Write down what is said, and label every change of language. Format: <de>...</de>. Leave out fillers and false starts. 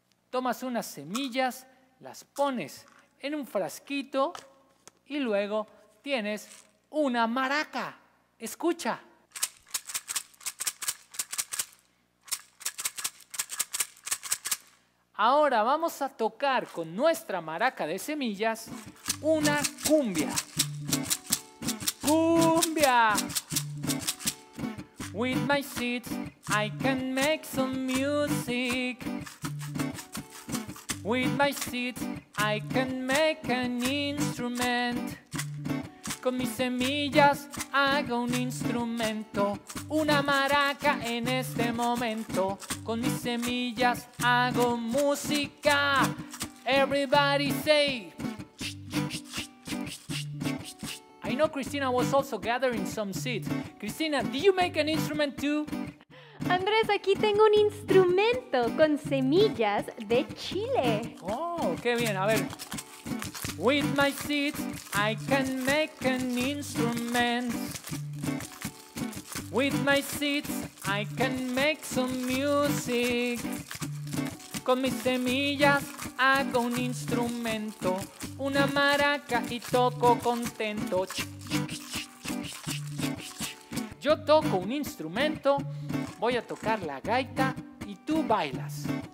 <es>Tomas unas semillas, las pones en un frasquito y luego tienes una maraca. Escucha. Ahora vamos a tocar con nuestra maraca de semillas una cumbia. ¡Cumbia!</es> <en>With my seeds I can make some music. With my seeds I can make an instrument.</en> <es>Con mis semillas hago un instrumento, una maraca en este momento. Con mis semillas hago música.</es> <en>Everybody say. I know Christina was also gathering some seeds. Christina, do you make an instrument too?</en> <es>Andrés, aquí tengo un instrumento con semillas de chile. Oh, qué bien, a ver.</es> <en>With my seeds, I can make an instrument. With my seeds, I can make some music.</en> <es>Con mis semillas, hago un instrumento, una maraca y toco contento. Yo toco un instrumento, voy a tocar la gaita y tú bailas.</es>